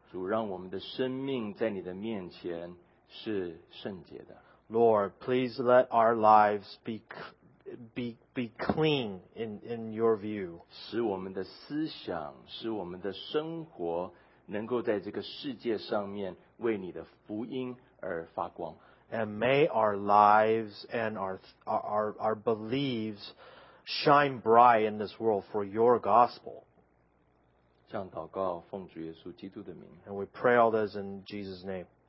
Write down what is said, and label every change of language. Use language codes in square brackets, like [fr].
[zh] 主，让我们的生命在你的面前是圣洁的。 [en] Lord, please let our lives be clean in your view. [zh] 使我们的思想，使我们的生活能够在这个世界上面为你的福音而发光。 [en] And may our lives and our beliefs shine bright in this world for your gospel. [zh] 这样祷告，奉主耶稣基督的名。 [en] And we pray all this in Jesus' name.